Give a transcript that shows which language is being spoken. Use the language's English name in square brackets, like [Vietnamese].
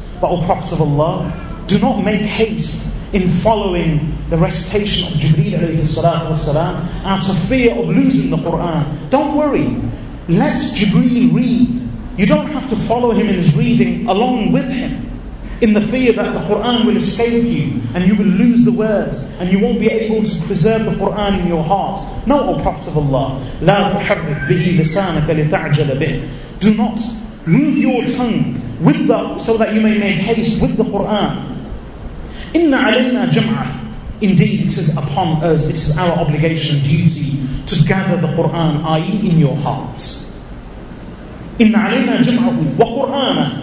[English] But O Prophet of Allah, do not make haste in following the recitation of Jibreel alayhi salatu wasalam out of fear of losing the Qur'an. Don't worry, let Jibreel read. You don't have to follow him in his reading along with him, in the fear that the Qur'an will escape you and you will lose the words and you won't be able to preserve the Qur'an in your heart. No, O Prophet of Allah, [Arabic] لا تحرك به لسانك لتعجل به. [English] Do not move your tongue with the, so that you may make haste with the Qur'an. [Arabic] إِنَّ عَلَيْنَا جَمْعًا. [English] Indeed, it is upon us, it is our obligation, duty to gather the Qur'an, i.e. in your heart. [Arabic] إِنَّ عَلَيْنَا جَمْعَهُ وَقُرْآنَ.